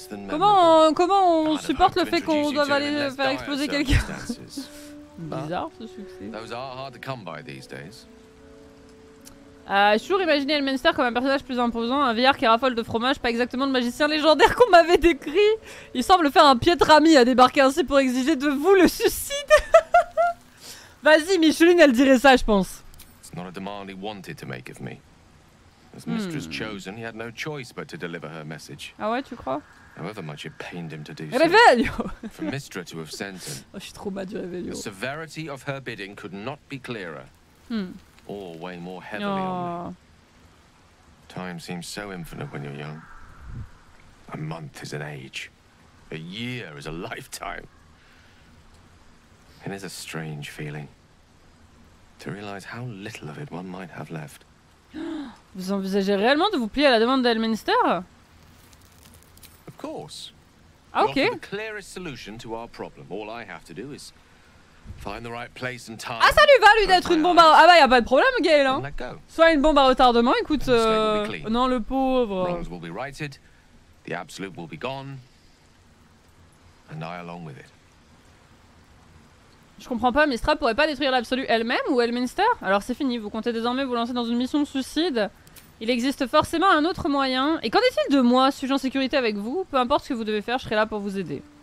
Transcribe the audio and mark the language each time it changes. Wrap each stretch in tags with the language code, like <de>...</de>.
<fr>Comment on supporte le fait qu'on doive aller faire exploser quelqu'un? Bizarre, ce succès.</fr> <en>Those are hard to come by these days.</en> <fr>J'ai toujours imaginé Elminster comme un personnage plus imposant, un vieillard qui raffole de fromage, pas exactement le magicien légendaire qu'on m'avait décrit. Il semble faire un piètre ami à débarquer ainsi pour exiger de vous le suicide. Vas-y, Micheline, elle dirait ça, je pense.</fr> <en>It's not a demand he wanted to make of me. As mistress chosen, he had no choice but to deliver her message.</en> <fr>Ah ouais, tu crois?</fr> <en>However much it pained him to do so.</en> <fr>Réveille.</fr> <en>For Mistra to have sent him.</en> <fr>Oh, je suis trop mad du réveille.</fr> <en>The severity of her bidding could not be clearer. Or way more heavily on me. Time seems so infinite when you're young. A month is an age. A year is a lifetime. It is a strange feeling to realize how little of it one might have left.</en> <fr>Vous envisagez réellement de vous plier à la demande d'Elminster?</fr> <en>Of course.</en> <fr>Ah, okay.</fr> <en>The clearest solution to our problem. All I have to do is find the right place and time.</en> <fr>Ah, ça lui va, lui, d'être une bombe à... Ah bah, y'a pas de problème, Gail, hein. Soit une bombe à retardement, écoute... Non, le pauvre...</fr> <en>Wrongs will be righted, the absolute will be gone, and I along with it.</en> <fr>Je comprends pas, Mistra pourrait pas détruire l'absolu elle-même ou Elminster? Alors c'est fini, vous comptez désormais vous lancer dans une mission de suicide. Il existe forcément un autre moyen. Et qu'en est-il de moi, suis-je en sécurité avec vous? Peu importe ce que vous devez faire, je serai là pour vous aider.</fr>